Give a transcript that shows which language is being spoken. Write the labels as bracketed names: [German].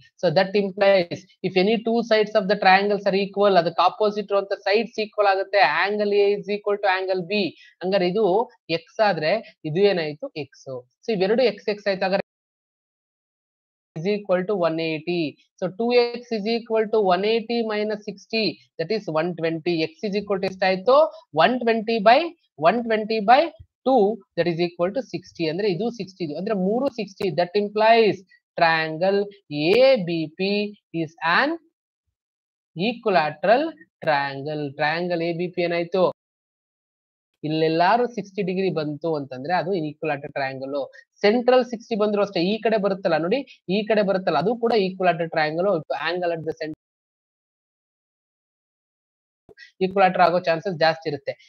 [English] so that implies if any two sides of the triangles are equal, [Kannada] ಅದಕ್ಕೆ opposite ಇರುವಂತ sides equal ಆಗುತ್ತೆ, [English] Angle A is equal to angle B. [Kannada] ಹಂಗಾರೆ ಇದು X ಆದ್ರೆ ಇದು ಏನಾಯ್ತು, ಎಕ್ಸ್. ಸೊ ಇವೆರಡು ಎಕ್ಸ್ ಎಕ್ಸ್ ಆಯ್ತು, ಹಾಗಾದ್ರೆ [English] is equal to 180. So 2x is equal to 180 minus 60, that is 120. X is equal to [Kannada] ಎಷ್ಟು ಆಯ್ತು, [English] 120 by 2, that is equal to 60. [Kannada] ಅಂದ್ರೆ ಇದು 60 ಅಂದ್ರೆ 3 60, [English] that implies triangle ABP is an equilateral triangle. [Kannada] Triangle ABP ಏನಾಯ್ತು, ಇಲ್ಲೆಲ್ಲಾರು 60 degrees ಬಂತು ಅಂತಂದ್ರೆ ಅದು ಈಕ್ವಲಾಟರ್ triangle. Central 60 ಬಂದ್ರು ಅಷ್ಟೇ, ಈ ಕಡೆ ಬರುತ್ತಲ್ಲ ನೋಡಿ, ಈ ಕಡೆ ಬರುತ್ತಲ್ಲ ಅದು ಕೂಡ ಈಕ್ವಲಾಟರ್ triangle. Angle at the centre ಈಕ್ವಲಾಟರ್ ಆಗೋ ಚಾನ್ಸಸ್ ಜಾಸ್ತಿ ಇರುತ್ತೆ.